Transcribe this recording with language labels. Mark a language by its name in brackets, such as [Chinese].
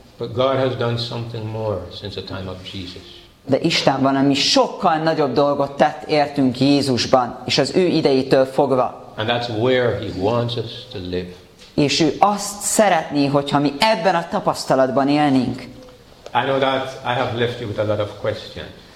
[English] But God has done something more since the time of Jesus. [Hungarian] De Isten valami sokkal nagyobb dolgot tett értünk Jézusban, és az ő idejétől fogva. [English] And that's where he wants us to live. [Hungarian] És ő azt szeretné, hogyha mi ebben a tapasztalatban élnénk. [English] I know that I have left you with a lot of questions.